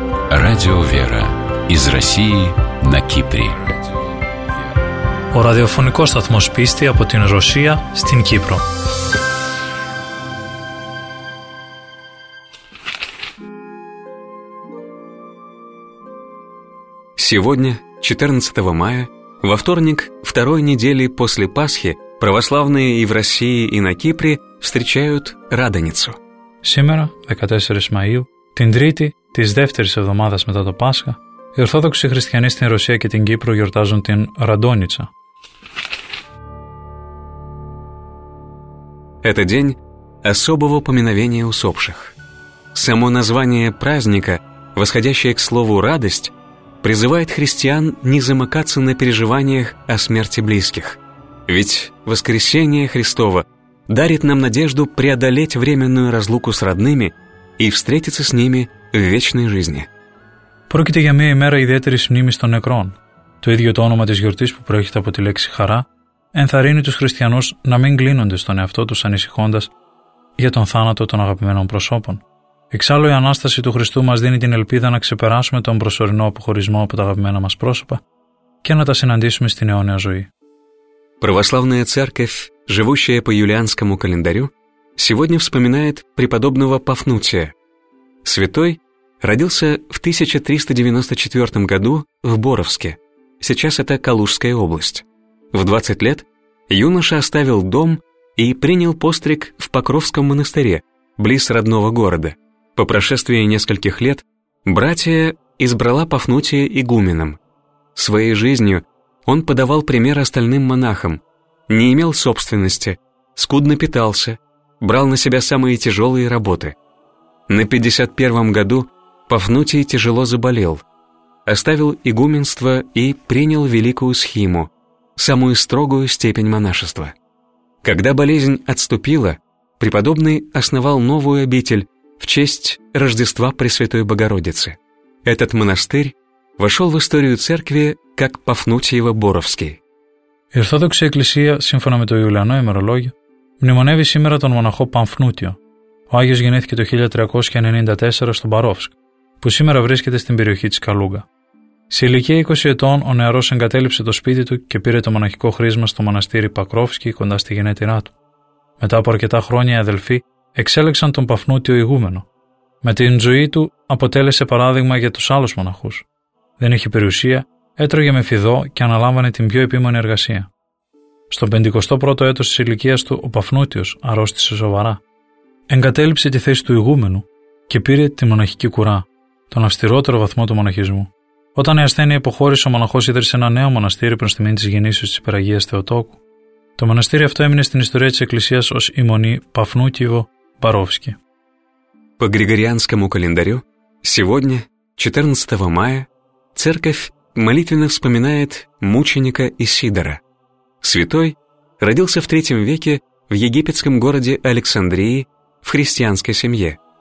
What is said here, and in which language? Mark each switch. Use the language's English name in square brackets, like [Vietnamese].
[Russian] Радио «Вера» из России на Кипре. [Greek] Ο ραδιοφωνικός σταθμός πίστη από την Ρωσία στην Κύπρο. [Russian] Сегодня, 14 мая, во вторник, второй недели после Пасхи, православные и в России, и на Кипре встречают Радоницу. Сегодня, 14 мая, [Greek] την Τρίτη της δεύτερης εβδομάδας μετά το Πάσχα, οι Ορθόδοξοι Χριστιανοί στην Ρωσία και την Κύπρο γιορτάζουν την Ραντόνιτσα. [Russian] Это день особого поминовения усопших. Само название праздника, восходящее к слову «радость», призывает христиан не замыкаться на переживаниях о смерти близких. Ведь воскресение Христово дарит нам надежду преодолеть временную разлуку с родными и встретиться с ними в вечной жизни. [Greek] Прокита για μια ημέρα ιδιαίτερης μνήμης των νεκρών. Το ίδιο το όνομα της γιορτής που προέρχεται από τη λέξη χαρά ενθαρρύνει τους χριστιανούς να μην κλείνονται στον εαυτό τους ανησυχώντας για τον θάνατο των αγαπημένων προσώπων. Εξάλλου η Ανάσταση του Χριστού μας δίνει την ελπίδα να ξεπεράσουμε τον προσωρινό αποχωρισμό από τα αγαπημένα μας πρόσωπα και να τα συναντήσουμε στην αιώνια ζωή. [Russian] Православная церковь, живущая по юлианскому календарю, сегодня вспоминает преподобного Пафнутия. Святой родился в 1394 году в Боровске, сейчас это Калужская область. В 20 лет юноша оставил дом и принял постриг в Покровском монастыре, близ родного города. По прошествии нескольких лет братья избрала Пафнутия игуменом. Своей жизнью он подавал пример остальным монахам, не имел собственности, скудно питался, брал на себя самые тяжелые работы. На 51-м году Пафнутий тяжело заболел, оставил игуменство и принял великую схиму, самую строгую степень монашества. Когда болезнь отступила, преподобный основал новую обитель в честь Рождества Пресвятой Богородицы. Этот монастырь вошел в историю церкви как Пафнутиево-Боровский. [Greek] Η Ορθόδοξη Εκκλησία, σύμφωνα με το Ιουλιανό ημερολόγιο, μνημονεύει σήμερα τον μοναχό Πανφνούτιο. Ο Άγιος γεννήθηκε το 1394 στο Μπαρόφσκ, που σήμερα βρίσκεται στην περιοχή της Καλούγκα. Σε ηλικία 20 ετών, ο νεαρός εγκατέλειψε το σπίτι του και πήρε το μοναχικό χρήσμα στο μοναστήρι Πακρόφσκι κοντά στη γενέτειρά του. Μετά από αρκετά χρόνια, οι αδελφοί εξέλεξαν τον Πανφνούτιο ηγούμενο. Με την ζωή του, αποτέλεσε παράδειγμα για τους άλλους μοναχούς. Δεν είχε περιουσία. Έτρωγε με φιδό και αναλάμβανε την πιο επίμονη εργασία. Στο 51ο έτος της ηλικίας του, ο Πανφνούτιος αρρώστησε σοβαρά. Εγκατέλειψε τη θέση του ηγούμενου και πήρε τη μοναχική κουρά, τον αυστηρότερο βαθμό του μοναχισμού. Όταν η ασθένεια υποχώρησε, ο μοναχός ίδρυσε ένα νέο μοναστήρι προς τιμήν της γεννήσεως της Υπεραγίας Θεοτόκου. Το μοναστήρι αυτό έμεινε στην ιστορία της Εκκλησίας ως η μονή Πανφνούτιο Μπαρόφσκι. [Russian] По григорианскому календарю, сегодня, 14 мая, церковь молитвенно вспоминает мученика Исидора. Святой родился в III веке в египетском городе Александрии в христианской семье.